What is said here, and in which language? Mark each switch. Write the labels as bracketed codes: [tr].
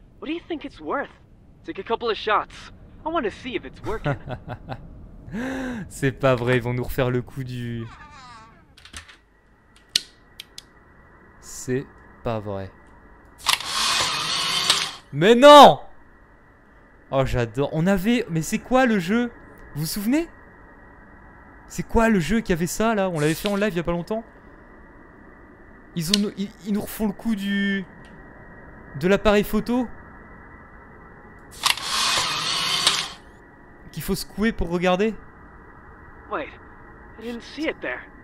[en] What do you think it's worth? Take a couple of shots. I want to see if it's working. [fr] C'est pas vrai, ils vont nous refaire le coup du... C'est pas vrai. Mais non! Oh j'adore. On avait... Mais c'est quoi le jeu? Vous vous souvenez? C'est quoi le jeu qui avait ça là? On l'avait fait en live il y a pas longtemps. Ils nous refont le coup du... De l'appareil photo. Qu'il faut secouer pour regarder. [en] Wait, I didn't see it there.